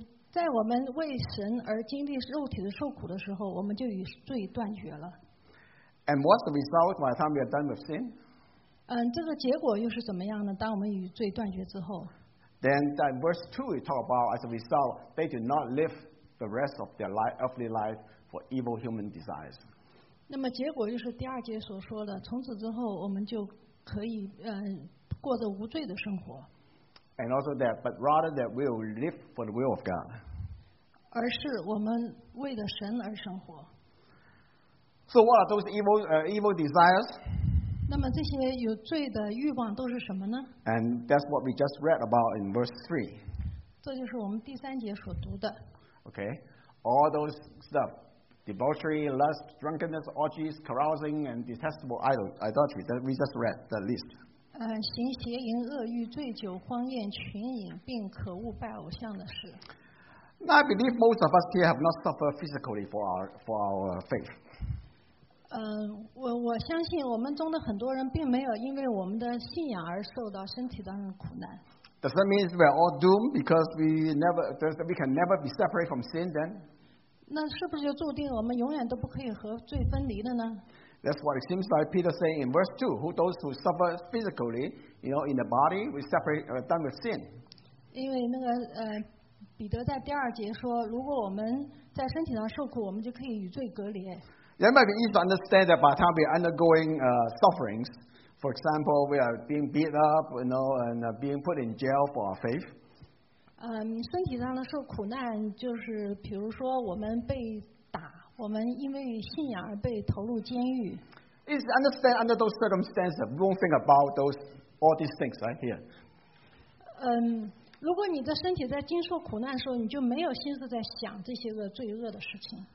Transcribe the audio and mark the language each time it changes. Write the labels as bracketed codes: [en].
[zh] 在我们为神而经历肉体的受苦的时候，我们就与罪断绝了。 [en] And what's the result by the time we are done with sin? [zh] 这个结果又是怎么样呢？当我们与罪断绝之后。 [en] Then in verse 2 we talk about as a result they do not live the rest of their life, earthly life for evil human desires. [zh] 那么结果就是第二节所说的，从此之后我们就可以过着无罪的生活。 [en] And also that, but rather that we will live for the will of God. [zh] 而是我们为了神而生活。 [en] So what are those evil desires? [zh] 那么这些有罪的欲望都是什么呢？ [en] And that's what we just read about in verse 3. [zh] 这就是我们第三节所读的。 [en] Okay, all those stuff, debauchery, lust, drunkenness, orgies, carousing, and detestable idolatry, that we just read the list. [zh] 行邪淫、恶欲、醉酒、荒宴、群饮，并可恶拜偶像的事。 [en] Now I believe most of us here have not suffered physically for our faith. [zh] 我相信我们中的很多人并没有因为我们的信仰而受到身体当中的苦难。 [en] Does that mean we are all doomed because we can never be separate from sin then? [zh] 那是不是就注定我们永远都不可以和罪分离的呢？ [en] That's what it seems like Peter saying in verse 2, who those who suffer physically, you know, in the body, we separate, done with sin. [zh] 因为那个彼得在第二节说，如果我们在身体上受苦，我们就可以与罪隔离。 [en] You might be easy to understand that by the time we are undergoing sufferings, for example, we are being beat up, you know, and being put in jail for our faith. [zh] 身体上的受苦难就是，比如说我们被打，我们因为信仰而被投入监狱。 [en] It's understand under those circumstances, we won't think about those all these things right here. [zh] 如果你的身体在经受苦难的时候，你就没有心思在想这些个罪恶的事情。